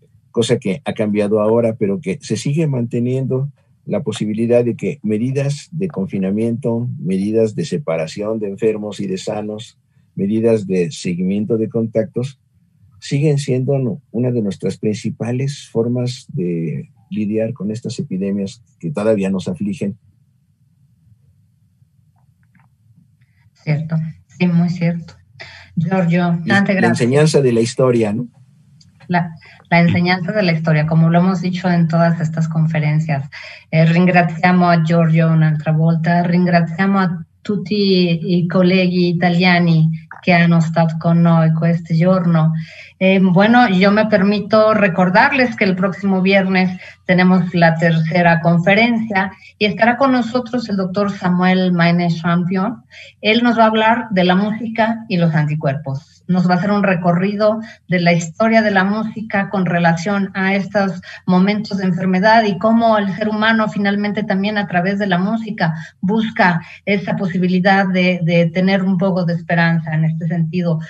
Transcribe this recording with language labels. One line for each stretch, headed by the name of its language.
Spanish: cosa que ha cambiado ahora, pero que se sigue manteniendo la posibilidad de que medidas de confinamiento, medidas de separación de enfermos y de sanos, medidas de seguimiento de contactos, siguen siendo una de nuestras principales formas de lidiar con estas epidemias que todavía nos afligen. Cierto, sí, muy cierto. Giorgio,
Italian: tante grazie.
Spanish: La enseñanza de la historia, ¿no? La enseñanza de la historia, como lo hemos dicho en todas estas conferencias.
Italian: Ringraziamo a Giorgio un'altra volta, ringraziamo a tutti i colleghi italiani che hanno stato con noi questo giorno.
Spanish: Bueno, yo me permito recordarles que el próximo viernes tenemos la tercera conferencia y estará con nosotros el doctor Samuel Maine-Champion. Él nos va a hablar de la música y los anticuerpos. Nos va a hacer un recorrido de la historia de la música con relación a estos momentos de enfermedad y cómo el ser humano finalmente también a través de la música busca esa posibilidad de tener un poco de esperanza en este momento. este sentido.